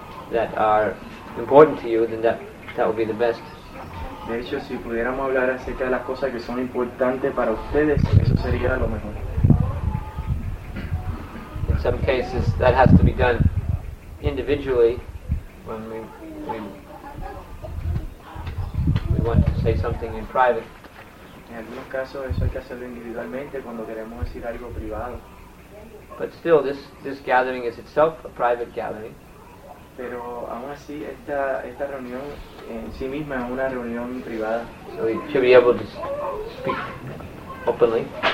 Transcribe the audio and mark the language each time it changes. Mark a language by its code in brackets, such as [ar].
[en] That are important to you, then that would be the best. [es] De hecho, si pudiéramos hablar acerca de las cosas que son importantes para ustedes, eso sería lo mejor. [en] In some cases, that has to be done individually when we want to say something in private. [es] En algunos casos, eso hay que hacerlo individualmente cuando queremos decir algo privado. [en] But still, this gathering is itself a private gathering. [es] Pero aún así esta reunión en sí misma es una reunión privada. [en] So we should be able to speak openly.